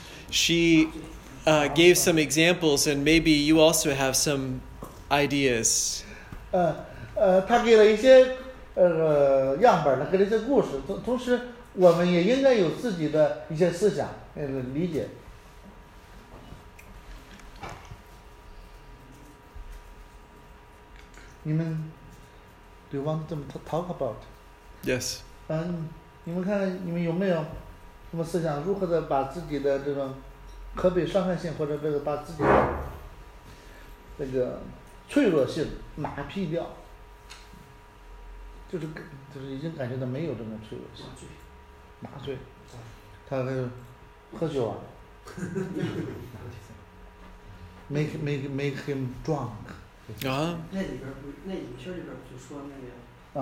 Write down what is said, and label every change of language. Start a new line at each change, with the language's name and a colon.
English: She gave some examples and maybe you also have some ideas
Chinese: 他给了一些样本给了一些故事 同时我们也应该有自己的一些思想理解你们
English: do you want them to talk about? Yes.
Chinese: 你们看你们有没有什么思想如何的把自己的这种可被伤害性或者这个把自己的那个脆弱性麻痹掉就是已经感觉到没有这种脆弱性麻醉他还喝酒啊
English: make him drunk 啊、
Chinese: 那里边不，那影片里边不就说那个